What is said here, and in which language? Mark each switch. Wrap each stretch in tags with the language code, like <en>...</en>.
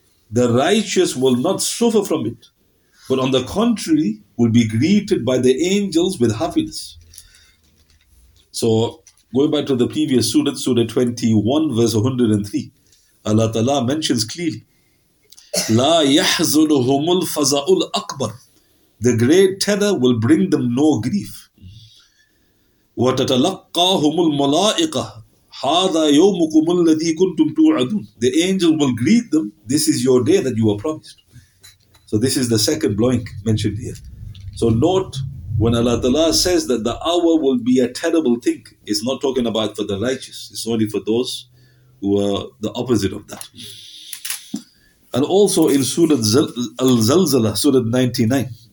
<en>The righteous will not suffer from it, but on the contrary, will be greeted by the angels with happiness. So, going back to the previous surah, Surah 21, verse 103, Allah Ta'ala mentions clearly,</en> <ar>لا يحزنهم الفزع الأكبر.</ar> <en>The great terror will bring them no grief.</en> <ar>وتتلقاهم الملائكة هذا يومكم الذي كنتم توعدون.</ar> <en>The angels will greet them. This is your day that you were promised. So this is the second blowing mentioned here. So note, when Allah Ta'ala says that the hour will be a terrible thing, it's not talking about for the righteous. It's only for those who are the opposite of that. And also in Surah Al-Zalzala, Surah 99.</en>